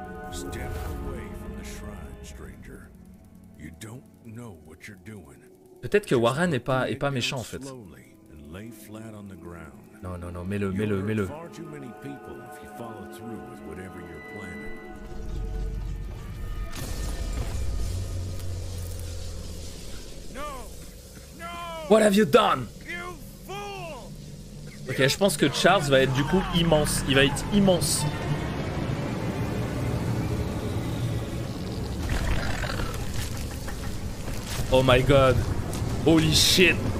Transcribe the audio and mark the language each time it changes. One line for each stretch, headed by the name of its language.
English: Step away from the shrine, stranger. You don't know what you're doing.
French: Peut-être que Warren est pas méchant en fait. Non, mets-le.
English: Far too many people if you follow through with whatever you're planning. No! No! What have you done? You fool!
French: Ok, je pense que Charles va être du coup immense. Il va être immense.
English: Oh my god. Holy shit.